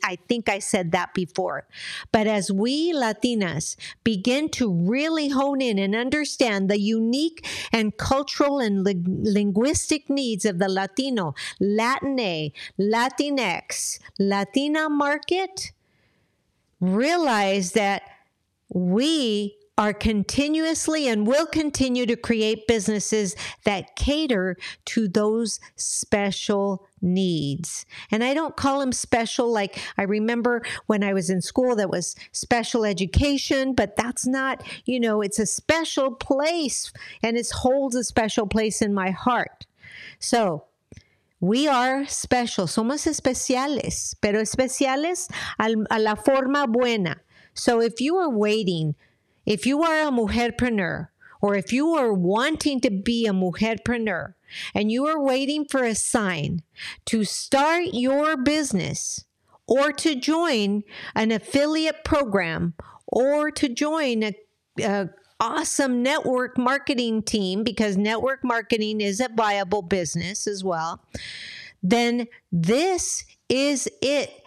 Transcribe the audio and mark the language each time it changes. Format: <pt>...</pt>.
<en>I think I said that before. But as we Latinas begin to really hone in and understand the unique and cultural and linguistic needs of the Latino, Latine, Latinx, Latina market, realize that we are continuously and will continue to create businesses that cater to those special needs. And I don't call them special, like I remember when I was in school that was special education, but that's not, you know, it's a special place and it holds a special place in my heart. So we are special.</en> <es>Somos especiales, pero especiales a la forma buena.</es> <en>So if you are waiting, if you are a mujerpreneur, or if you are wanting to be a mujerpreneur and you are waiting for a sign to start your business or to join an affiliate program or to join a awesome network marketing team, because network marketing is a viable business as well, then this is it.</en>